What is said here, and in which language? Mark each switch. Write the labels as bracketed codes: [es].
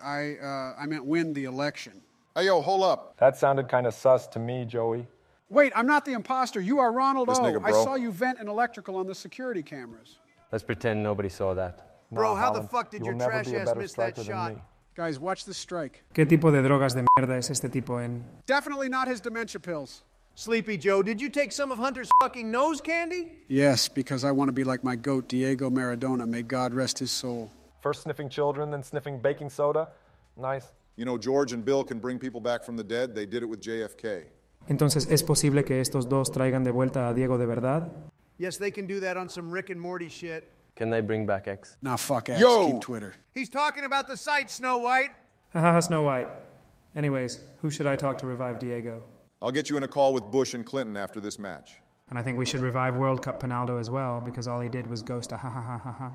[en] I meant win the election. Hey, yo, hold up. That sounded kind of sus to me, Joey. Wait, I'm not the imposter. You are Ronald this O. Nigga, bro. I saw you vent an electrical on the security cameras. Let's pretend nobody saw that. Bro, no, how the fuck did your trash ass miss that shot? Guys, watch the strike. [es] ¿Qué tipo de drogas de mierda es este tipo en? [en] Definitely not his dementia pills. Sleepy Joe, did you take some of Hunter's fucking nose candy? Yes, because I want to be like my goat, Diego Maradona. May God rest his soul. First sniffing children, then sniffing baking soda. Nice. You know, George and Bill can bring people back from the dead. They did it with JFK. [es] Entonces, ¿es posible que estos dos traigan de vuelta a Diego de verdad? [en] Yes, they can do that on some Rick and Morty shit. Can they bring back X? Nah, fuck X. Yo! Keep Twitter. He's talking about the site, Snow White. Haha, Snow White. Anyways, who should I talk to revive Diego? I'll get you in a call with Bush and Clinton after this match. And I think we should revive World Cup Ronaldo as well, because all he did was ghost a ha ha ha ha ha.